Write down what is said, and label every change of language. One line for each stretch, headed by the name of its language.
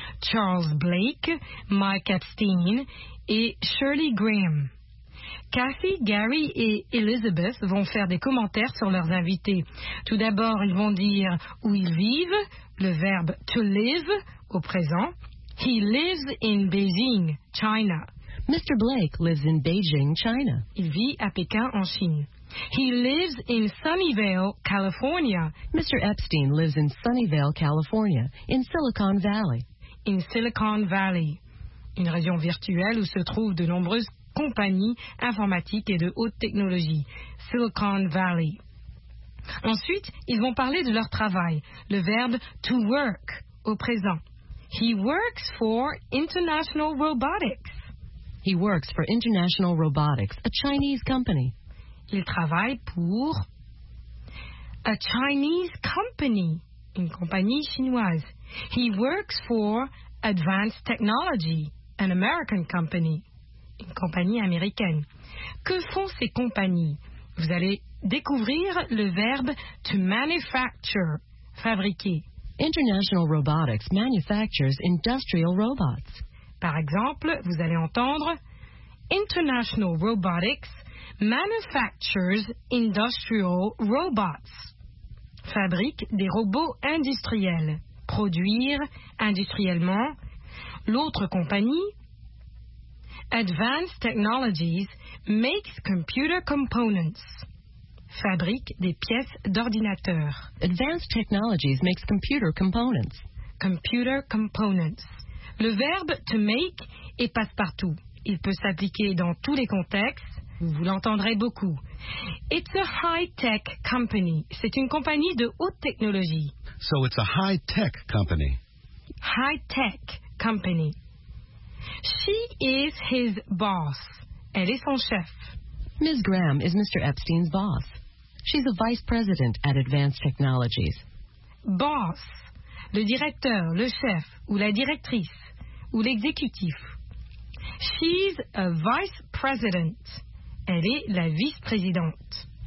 French: Charles Blake, Mike Epstein et Shirley Graham. Kathy, Gary et Elizabeth vont faire des commentaires sur leurs invités. Tout d'abord, ils vont dire où ils vivent, le verbe to live au présent.
English: He lives in Beijing, China. Mr. Blake lives in Beijing, China.
French: Il vit à Pékin, en Chine.
English: He lives in Sunnyvale, California. Mr. Epstein lives in Sunnyvale, California, in Silicon Valley.
French: In Silicon Valley, une région virtuelle où se trouvent de nombreuses compagnies informatiques et de haute technologie. Silicon Valley. Ensuite, ils vont parler de leur travail, le verbe to work au présent.
English: He works for International Robotics. He works for International Robotics, a Chinese company.
French: Il travaille pour
English: a Chinese company,
French: une compagnie chinoise.
English: He works for Advanced Technology, an American company,
French: une compagnie américaine. Que font ces compagnies? Vous allez découvrir le verbe to manufacture, fabriquer.
English: International Robotics manufactures industrial robots.
French: Par exemple, vous allez entendre
English: International Robotics manufactures industrial robots.
French: Fabrique des robots industriels. Produire industriellement. L'autre compagnie,
English: Advanced Technologies makes computer components.
French: Fabrique des pièces d'ordinateur.
English: Advanced Technologies makes computer components. Computer components.
French: Le verbe to make est passe-partout. Il peut s'appliquer dans tous les contextes. Vous l'entendrez beaucoup.
English: It's a high-tech company.
French: C'est une compagnie de haute technologie.
English: So it's a high-tech company. High-tech company. She is his boss.
French: Elle est son chef.
English: Ms. Graham is Mr. Epstein's boss. She's a vice president at Advanced Technologies. Boss.
French: Le directeur, le chef, ou la directrice, ou l'exécutif.
English: She's a vice president.
French: Elle est la vice-présidente.